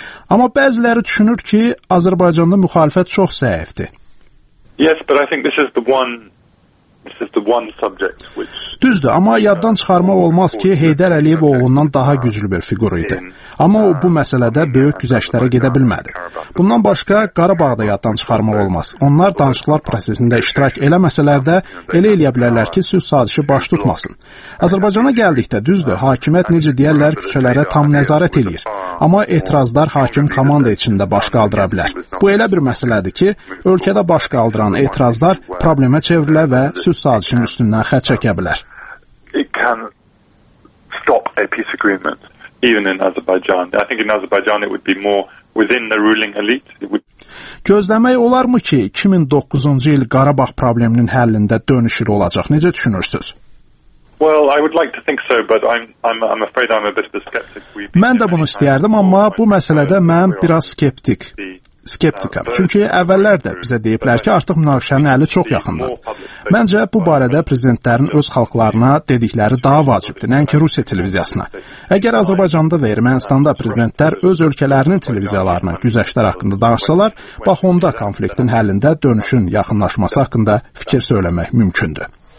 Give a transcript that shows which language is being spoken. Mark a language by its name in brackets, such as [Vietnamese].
[Azerbaijani] Amma bəziləri düşünür ki, Azərbaycanda müxalifət çox zəifdir. [English] Yes, but I think this is the one subject which. [Azerbaijani] Düzdür, amma yaddan çıxarmaq olmaz ki, Heydər Əliyev oğlundan daha güclü bir fiqur idi. Amma o bu məsələdə böyük güzəştlərə gedə bilmədi. Bundan başqa, Qarabağda yaddan çıxarmaq olmaz. Onlar danışıqlar prosesində iştirak eləməsələr də elə eləyə bilərlər ki, sülh sazişi baş tutmasın. Azərbaycana gəldikdə, düzdür, hakimiyyət necə deyərlər, küçələrə tam nəzarət eləyir. Amma etirazlar hakim komanda içində baş qaldıra bilər. Bu elə bir məsələdir ki, ölkədə baş qaldıran etirazlar problemə çevrilə və sülh sazişinin üstündən xətt çəkə bilər. [English] It can stop a peace agreement even in Azerbaijan. I think in Azerbaijan it would be more within the ruling elite. [Azerbaijani] Gözləmək olarmı ki, 2009-cu il Qarabağ probleminin həllində dönüşür olacaq? Necə düşünürsünüz? [English] Well, I would like to think so, but I'm afraid I'm a bit of a skeptic. [Azerbaijani] Mən də bunu istəyərdim, amma bu məsələdə mən biraz skeptikam. Çünki əvvəllər də bizə deyiblər ki, artıq münaqişənin əli çox yaxındır. Məncə, bu barədə prezidentlərin öz xalqlarına dedikləri daha vacibdir, nəinki Rusiya televiziyasına. Əgər Azərbaycanda və Ermənistanda prezidentlər öz ölkələrinin televiziyalarına güzəştlər haqqında danışsalar, bax onda konfliktin həllində dönüşün yaxınlaşması haqqında fikir söyləmək mümkündür.